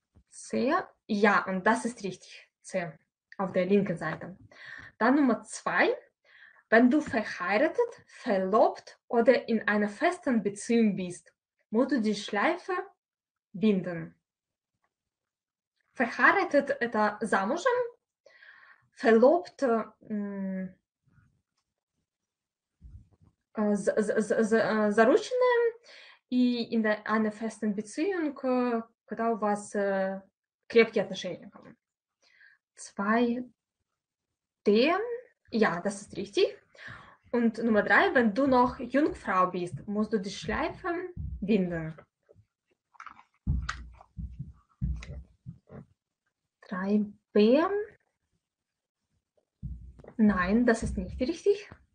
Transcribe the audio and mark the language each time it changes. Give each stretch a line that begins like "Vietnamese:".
German: C. Ja, und das ist richtig. C. Auf der linken Seite. Dann Nummer 2. Wenn du verheiratet, verlobt oder in einer festen Beziehung bist, musst du die Schleife binden. Verheiratet
Russian: это замужем,
German: verlobt
Russian: заручены и
German: in der einer festen Beziehung,
Russian: когда у вас крепкие отношения. Zwei,
German: Ja, das ist richtig. Und Nummer drei, wenn du noch Jungfrau bist, musst du die Schleife binden. Drei B. Nein, das ist nicht richtig.